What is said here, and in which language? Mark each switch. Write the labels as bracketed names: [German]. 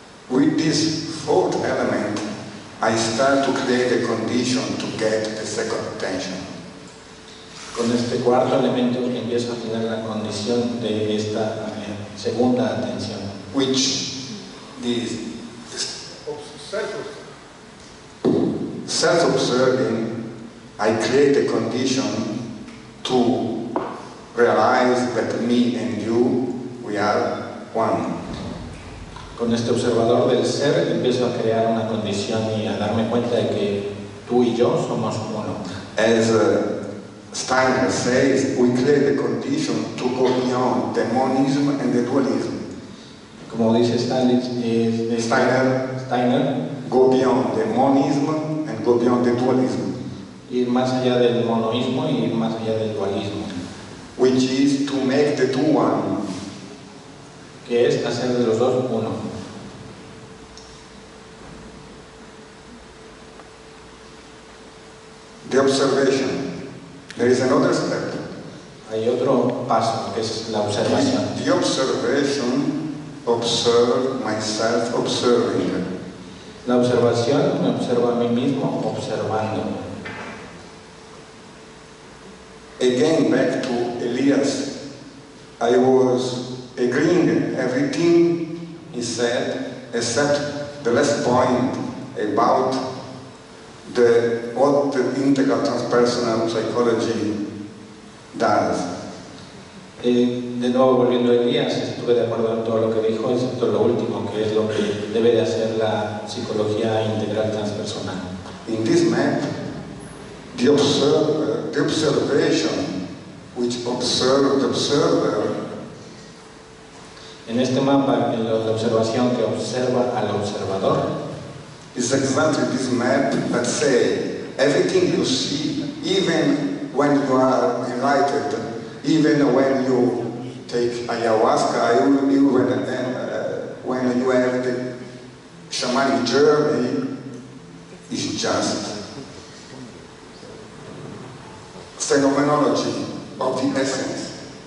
[English] With this fourth element, I start to create a condition to get the second attention. [Spanish] Con este cuarto elemento empiezo a tener la condición de esta segunda atención. [English] Which is self-observing. I create a condition to realize that me and you, we are one. [Spanish] Con este observador del ser empiezo a crear una condición y a darme cuenta de que tú y yo somos uno. [English] As Steiner says, we create a condition to go beyond the monism and the dualism. [Spanish] Como dice [English] Steiner, go beyond the monism and go beyond the dualism. [Spanish] Ir más allá del monoísmo y ir más allá del dualismo. [English] Which is to make the two one. [Spanish] Que es hacer de los dos uno. [English] The observation. There is another step. [Spanish] Hay otro paso, que es la observación. [English] The observation, observe myself observing. [Spanish] La observación me observa a mí mismo observando. [English] Again, back to Elias, I was agreeing everything he said, except the last point about what the integral transpersonal psychology does. [Spanish] De nuevo, volviendo a Elías, estuve de acuerdo en todo lo que dijo, excepto lo último, que es lo que debe de hacer la psicología integral transpersonal. [English] In this map, the observation which observes the observer. [Spanish] En este mapa, en la observación que observa al observador. [English] It's exactly this map that say everything you see, even when you are enlightened, even when you take ayahuasca, when you have the shamanic journey, is just phenomenology of the essence.